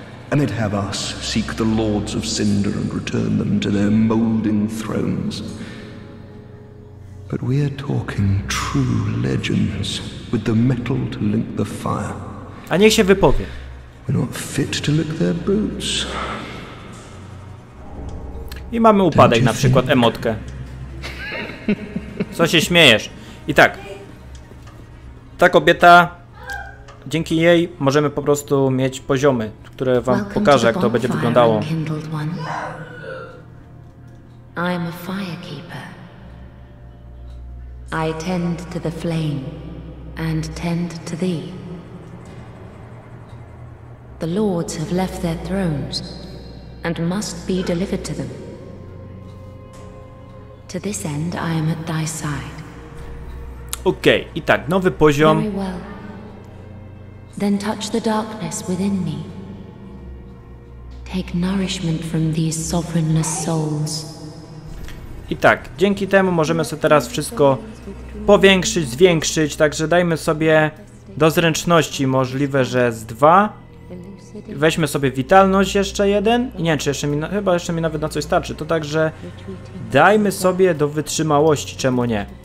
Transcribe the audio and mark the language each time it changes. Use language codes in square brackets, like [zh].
[en] And they'd have us seek the lords of Cinder and return them to their molding thrones. But we are talking true legends with the metal to link the fire. [pl] A niech się wypowie. [en] We're not fit to lick their boots. [pl] I mamy upadek, na przykład emotkę. Co się śmiejesz? I tak. Ta kobieta, dzięki jej możemy po prostu mieć poziomy, które wam pokażę, jak to będzie wyglądało. [en] I am a firekeeper. I tend to the flame and tend to thee. The lords have left their thrones and must be delivered to them. To this end I am at thy side. [pl] Okej, okay, i tak, nowy poziom. [en] Then touch the darkness within me. Take nourishment from these sovereignless souls. [pl] I tak, dzięki temu możemy sobie teraz wszystko powiększyć, zwiększyć, także dajmy sobie do zręczności możliwe, że z 2. Weźmy sobie witalność jeszcze jeden. Nie wiem, czy jeszcze mi, chyba jeszcze mi nawet na coś starczy. To także dajmy sobie do wytrzymałości, czemu nie?